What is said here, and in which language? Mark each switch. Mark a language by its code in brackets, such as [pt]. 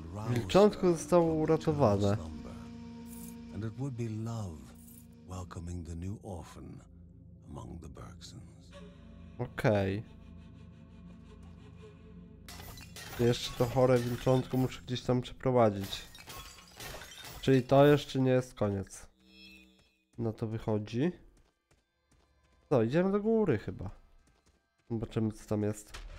[pl] Wilczątko zostało uratowane. [en] And it would be love welcoming the new orphan among the Bergsons. [pl] Okej. Jeszcze to chore wilczątko muszę gdzieś tam przeprowadzić. Czyli to jeszcze nie jest koniec. No to wychodzi. Co, idziemy do góry chyba. Zobaczymy, co tam jest.